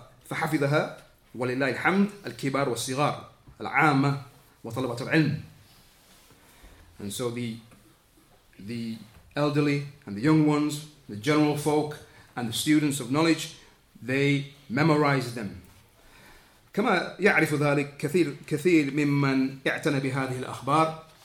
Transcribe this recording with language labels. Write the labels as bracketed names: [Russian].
[Arabic] فحفظها ولله الحمد الكبار والصغار العامة وطلبة العلم. [English] And so the elderly and the young ones, the general folk and the students of knowledge, they memorize them. [Arabic] كما يعرف ذلك كثير ممن اعتنى بهذه الأخبار.